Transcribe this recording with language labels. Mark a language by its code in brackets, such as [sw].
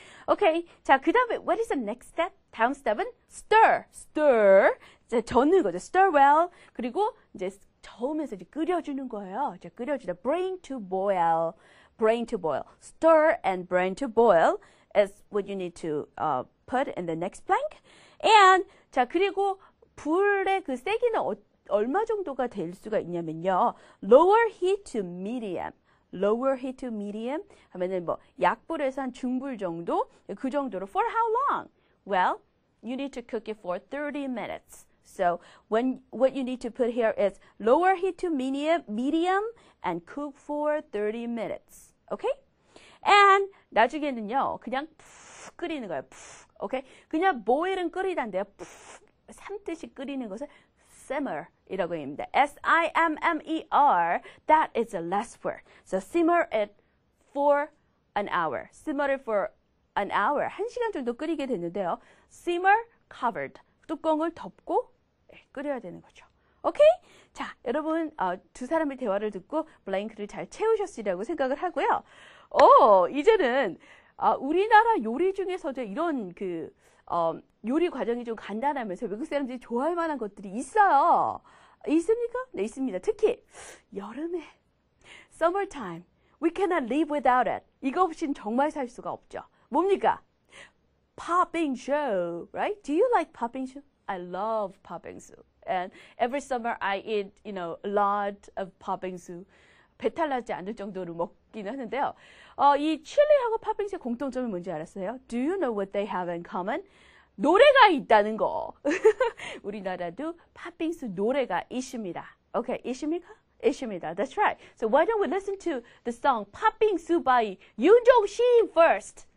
[en] Okay, [ko] 자, 그 다음에 [en] what is the next step? 다음 step은 stir. [ko] Stir, 이제 젓는 거죠. [en] Stir well, [ko] 그리고 이제 저으면서 이제 끓여주는 거예요. 이제 끓여주다. [en] Bring to boil. Bring to boil. Stir and bring to boil is what you need to put in the next blank. [ko] And, 자, 그리고 불의 그 세기는 얼마 정도가 될 수가 있냐면요. [en] Lower heat to medium. Lower heat to medium. [ko] 하면은 뭐, 약불에서 한 중불 정도? 그 정도로. [en] For how long? Well, you need to cook it for 30 minutes. So, what you need to put here is lower heat to medium and cook for 30 minutes. [ko] Okay? And, 나중에는요. 그냥 푹 끓이는 거예요. 푹. Okay? 그냥 boil은 끓이다인데요. 푹 삶듯이 끓이는 것을 simmer이라고 합니다. [en] S-I-M-M-E-R, that is the last word. So simmer it for an hour. Simmer it for an hour. [ko] 한 시간 정도 끓이게 되는데요. [en] Simmer covered. [ko] 뚜껑을 덮고 끓여야 되는 거죠. [en] Okay? [ko] 자, 여러분 두 사람의 대화를 듣고 블랭크를 잘 채우셨으리라고 생각을 하고요. 이제는 우리나라 요리 중에서도 이런 그 요리 과정이 좀 간단하면서 외국 사람들이 좋아할 만한 것들이 있어요. 있습니까? 네, 있습니다. 특히 여름에 summertime. [en] We cannot live without it. [ko] 이거 없이는 정말 살 수가 없죠. 뭡니까? [en] Popping shoe, right? Do you like popping shoe? I love popping shoe. And every summer I eat, you know, a lot of popping shoe. [ko] 배탈 나지 않을 정도로 먹기는 하는데요. 이 칠리하고 팥빙수의 공통점이 뭔지 알았어요? [en] Do you know what they have in common? [ko] 노래가 있다는 거. 우리나라도 팥빙수 노래가 있습니다. [en] Okay, [ko] 있습니까? 있습니다. [en] That's right. So why don't we listen to the song 팥빙수 by 윤종신 first?